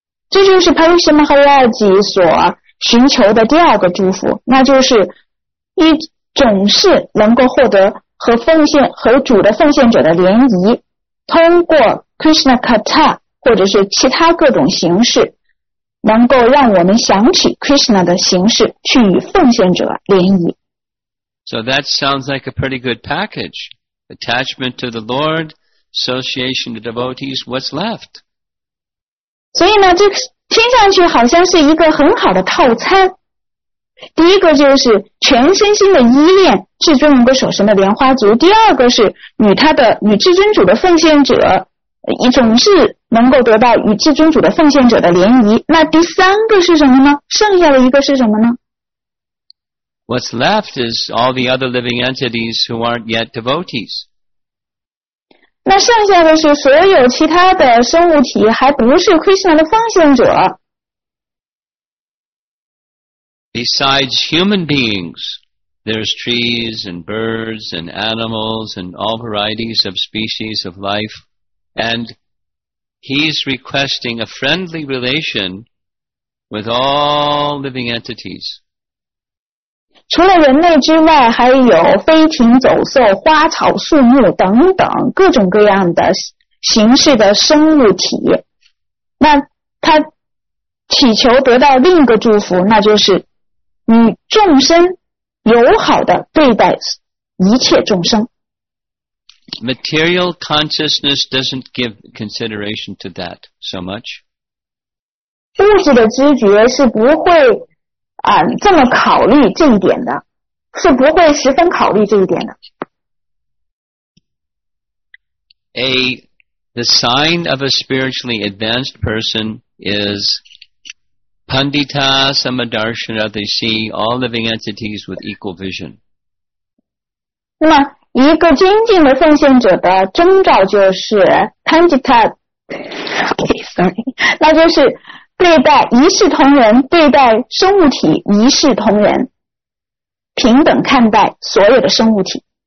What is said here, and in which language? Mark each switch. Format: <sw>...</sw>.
<zh>这就是 Parikshit Maharaj 所寻求的第二个祝福，那就是一种是能够获得和奉献和主的奉献者的联谊，通过 Krishna Katha或者是其他各种形式，能够让我们想起 Krishna 的形式去与奉献者联谊。</zh> <en>So that sounds like a pretty good package. Attachment to the Lord, association to devotees, what's left?</en> <zh>所以呢，这听上去好像是一个很好的套餐。第一个就是全身心的依恋至尊龙的手上的莲花足，第二个是与至尊主的奉献者一种是能够得到与至尊主的奉献者的联谊，那第三个是什么呢？剩下的一个是什么呢？</zh> <en>What's left is all the other living entities who aren't yet devotees.</en> <zh>那剩下的是所有其他的生物体还不是 Krishna 的奉献者。</zh> <en>Besides human beings, there's trees and birds and animals and all varieties of species of life. And he's requesting a friendly relation with all living entities.</en> <zh>除了人类之外，还有飞禽走兽、花草树木等等各种各样的形式的生物体。那他祈求得到另一个祝福，那就是与众生友好的对待一切众生。</zh> <en>Material consciousness doesn't give consideration to that so much.</en> <zh>物质的知觉是不会这么考虑这一点的，是不会十分考虑这一点的。</zh> <en>The sign of a spiritually advanced person is Pandita Samadarshana, they see all living entities with equal vision.</en> <zh>那么一个精进的奉献者的征兆就是 Pandita，</zh> <en>sorry，</en> <zh>那就是对待一视同仁，对待生物体一视同仁，平等看待所有的生物体。</zh>